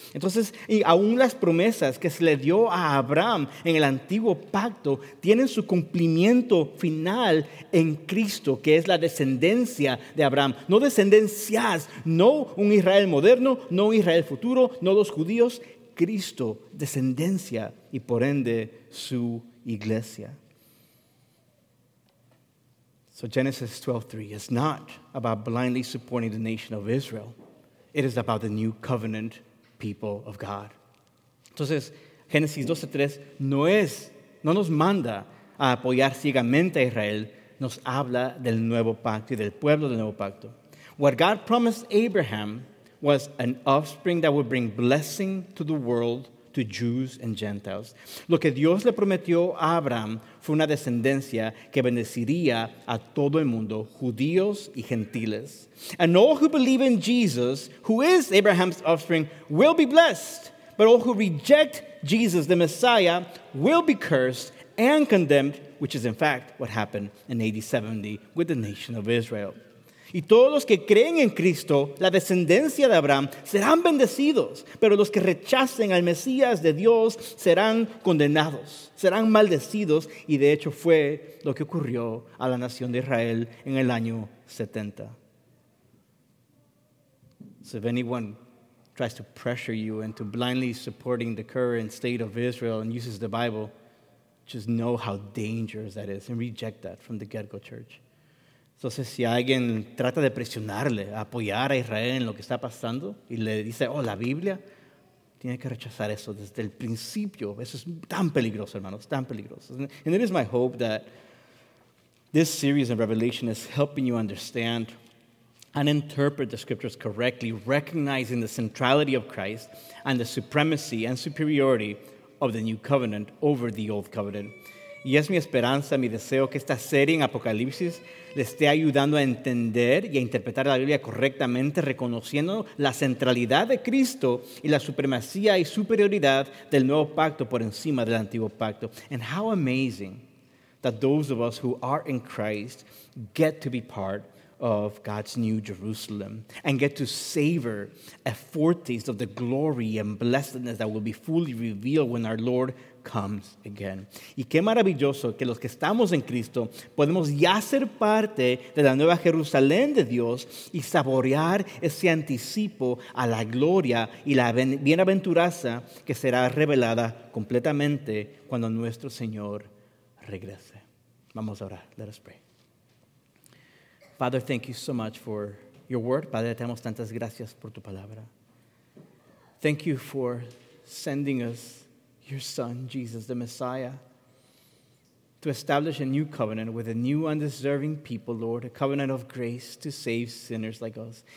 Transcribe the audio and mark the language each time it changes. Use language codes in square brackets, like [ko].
[es] Entonces, y aún las promesas que se le dio a Abraham en el antiguo pacto tienen su cumplimiento final en Cristo, que es la descendencia de Abraham. No descendencias, no un Israel moderno, no un Israel futuro, no los judíos, Cristo, descendencia y por ende su iglesia. [en] So Genesis 12:3 is not about blindly supporting the nation of Israel. It is about the new covenant people of God. [es] Entonces, Génesis 12:3 no nos manda a apoyar ciegamente a Israel, nos habla del nuevo pacto y del pueblo del nuevo pacto. [en] What God promised Abraham was an offspring that would bring blessing to the world, to Jews and Gentiles. [es] Lo que Dios le prometió a Abraham fue una descendencia que bendeciría a todo el mundo, judíos y gentiles. [en] And all who believe in Jesus, who is Abraham's offspring, will be blessed. But all who reject Jesus, the Messiah, will be cursed and condemned, which is in fact what happened in AD 70 with the nation of Israel. [es] Y todos los que creen en Cristo, la descendencia de Abraham, serán bendecidos. Pero los que rechacen al Mesías de Dios serán condenados, serán maldecidos. Y de hecho fue lo que ocurrió a la nación de Israel en el año 70. [en] So if anyone tries to pressure you into blindly supporting the current state of Israel and uses the Bible, just know how dangerous that is and reject that from the get-go, church. [es] Entonces, si alguien trata de presionarle, apoyar a Israel en lo que está pasando, y le dice, la Biblia, tiene que rechazar eso desde el principio. Eso es tan peligroso, hermanos, tan peligroso. [en] And it is my hope that this series of Revelation is helping you understand and interpret the scriptures correctly, recognizing the centrality of Christ and the supremacy and superiority of the new covenant over the old covenant. [es] y es mi esperanza, mi deseo que esta serie en Apocalipsis le esté ayudando a entender y a interpretar la Biblia correctamente, reconociendo la centralidad de Cristo y la supremacía y superioridad del nuevo pacto por encima del antiguo pacto. [en] And how amazing that those of us who are in Christ get to be part of God's new Jerusalem and get to savor a foretaste of the glory and blessedness that will be fully revealed when our Lord comes again. [es] Y qué maravilloso que los que estamos en Cristo podemos ya ser parte de la nueva Jerusalén de Dios y saborear ese anticipo a la gloria y la bienaventuraza que será revelada completamente cuando nuestro Señor regrese. Vamos a orar. [en] Let us pray. Father, thank you so much for your word. [es] Padre, te damos tantas gracias por tu palabra. [en] Thank you for sending us your son, Jesus, the Messiah, to establish a new covenant with a new undeserving people, Lord, a covenant of grace to save sinners like us.